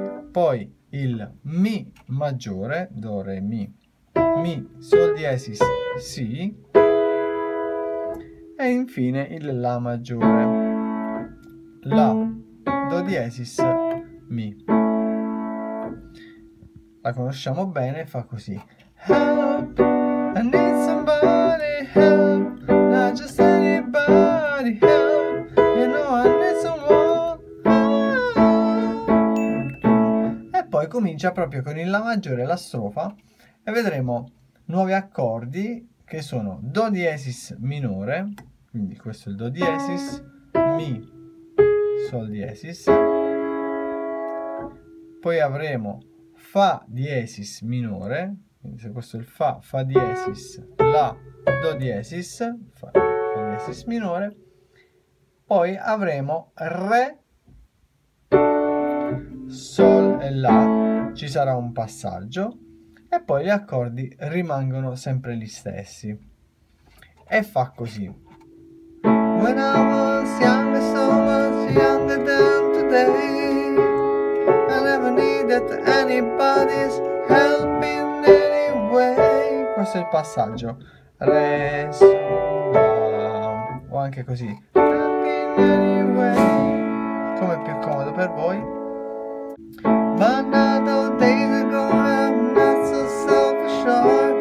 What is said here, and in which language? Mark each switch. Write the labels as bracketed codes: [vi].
[it] Poi il Mi maggiore, Do, Re, Mi, Mi, Sol diesis, Si. E infine il La maggiore. La, Do diesis, Mi. La conosciamo bene, fa così. [en] Help, I need somebody, help, not just anybody, help, you know I need someone, help. [it] E poi comincia proprio con il La maggiore, la strofa, e vedremo nuovi accordi che sono Do diesis minore, quindi questo è il Do diesis, Mi, Sol diesis, poi avremo Fa diesis minore, quindi se questo è il Fa, Fa diesis, La, Do diesis, Fa diesis minore, poi avremo Re, Sol e La, ci sarà un passaggio e poi gli accordi rimangono sempre gli stessi e fa così. [en] When I was younger, so much younger than today, I never needed anybody's help in any way. [it] Questo è il passaggio. Re, Sol, La. O anche così. [en] Help in any way. [it] Come è più comodo per voi? [en] But now those days are gone, I'm not so self-assured.